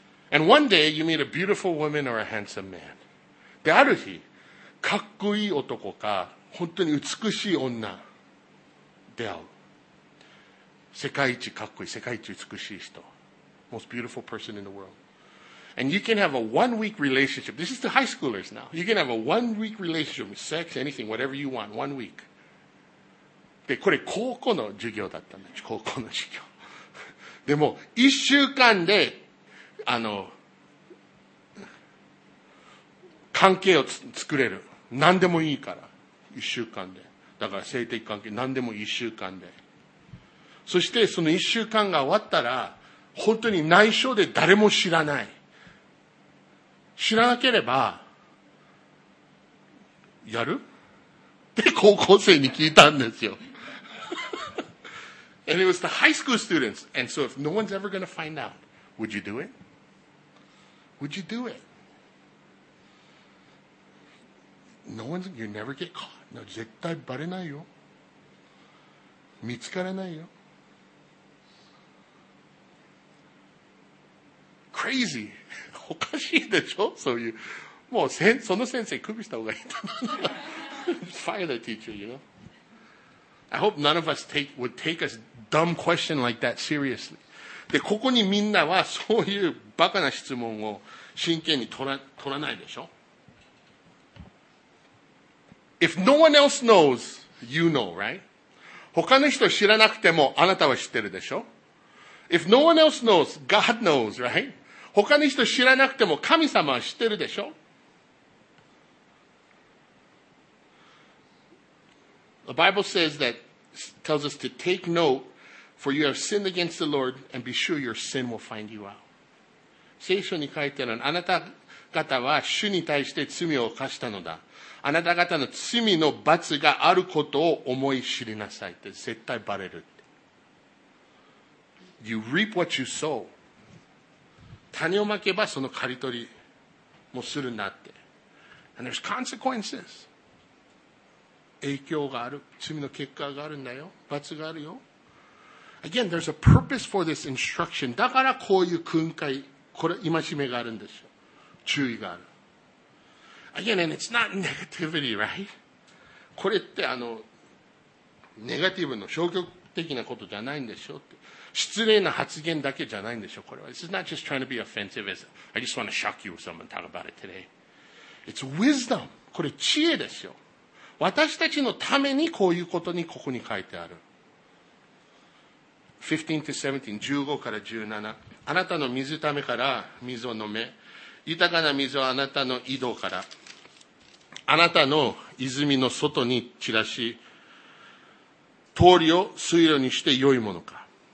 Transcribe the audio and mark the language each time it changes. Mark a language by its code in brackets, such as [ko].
[en] And one day you meet a beautiful woman or a handsome man. [ja] で、ある日、かっこいい男か、本当に美しい女、出会う。世界一かっこいい、世界一美しい人。 [en] Most beautiful person in the world. And you can have a one-week relationship. This is to high schoolers now. You can have a one-week relationship with sex, anything, whatever you want, 1 week. [ja] で、これ高校の授業だったんだ。高校の授業。でも、一週間で、関係を作れる。何でもいいから。一週間で。だから性的関係、何でも一週間で。そしてその一週間が終わったら、本当に内緒で誰も知らない。知らなければ、やる? って高校生に聞いたんですよ。 [en] And it was the high school students. And so if no one's ever gonna find out, would you do it? Would you do it? No one's, you never get caught. No, [ja] 絶対バレないよ。見つからないよ。 [en] Crazy. [ja] おかしいでしょ?そういう。もうその先生、クビした方がいい。 [en] Fire the teacher, you know? I hope none of us would take a dumb question like that seriously. [ja] で、ここにみんなはそういうバカな質問を真剣に取らないでしょ? [en] If no one else knows, you know, right? [ja] 他の人知らなくてもあなたは知ってるでしょ? [en] If no one else knows, God knows, right? [ja] 他の人知らなくても神様は知ってるでしょ? [en] The Bible says that, tells us to take note, for you have sinned against the Lord, and be sure your sin will find you out. [ja] 聖書に書いてあるのあなた方は主に対して罪を犯したのだ。あなた方の罪の罰があることを思い知りなさいって絶対バレるって。 [en] You reap what you sow. [ja] 種をまけばその刈り取りもするんだって。 [en] And there's consequences. [ja] 影響がある。罪の結果があるんだよ。罰があるよ。 [en] Again, there's a purpose for this instruction. [ja] だからこういう訓戒。これ今しめがあるんですよ。注意がある。 [en] Again, and it's not negativity, right? [ja] これってネガティブの消極的なことじゃないんでしょって。失礼な発言だけじゃないんでしょ、これは。 [en] This is not just trying to be offensive. I just want to shock you with someone talk about it today. It's wisdom. [ja] これ知恵ですよ。私たちのためにこういうことにここに書いてある。 15-17 あなたの水ためから水を飲め。豊かな水はあなたの井戸から。あなたの泉の外に散らし、通りを水路にして良いものか。